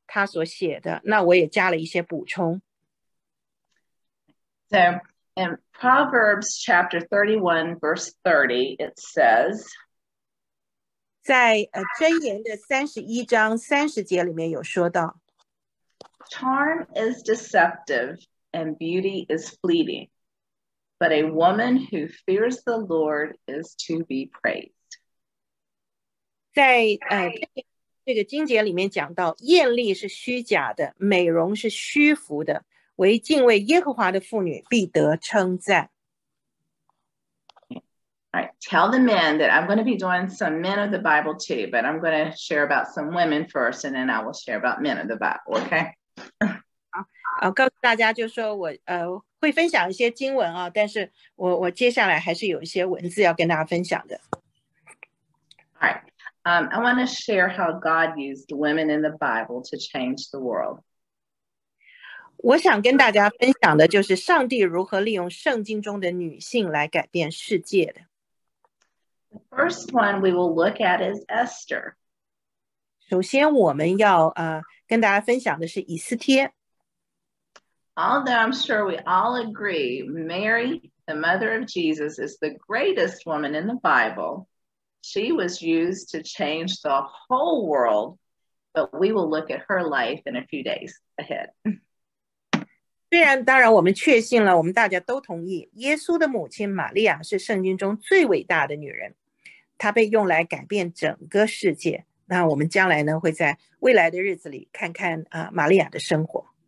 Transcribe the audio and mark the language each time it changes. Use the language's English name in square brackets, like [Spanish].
[Chinese] 他所写的，那我也加了一些补充。 [English] So, in Proverbs chapter 31, verse 30, it says, [Chinese] 在箴言的31章30节里面有说到， [English] Charm is deceptive and beauty is fleeting, but a woman who fears the Lord is to be praised. [Chinese] 在这个经节里面讲到，艳丽是虚假的，美容是虚浮的，唯敬畏耶和华的妇女必得称赞。 [English] All right, tell the men that I'm going to be doing some men of the Bible too, but I'm going to share about some women first, and then I will share about men of the Bible. Okay. [Chinese] 好，告诉大家就说我会分享一些经文啊，但是我接下来还是有一些文字要跟大家分享的。 [English] All right. I want to share how God used women in the Bible to change the world. [Chinese] 我想跟大家分享的就是上帝如何利用圣经中的女性来改变世界的。 [English] The first one we will look at is Esther. [Chinese] 首先我们要跟大家分享的是以斯帖。 [English] Although I'm sure we all agree, Mary, the mother of Jesus, is the greatest woman in the Bible. She was used to change the whole world, but we will look at her life in a few days ahead. [Chinese] 虽然当然我们确信了，我们大家都同意，耶稣的母亲玛利亚是圣经中最伟大的女人，她被用来改变整个世界。那我们将来呢，会在未来的日子里看看玛利亚的生活。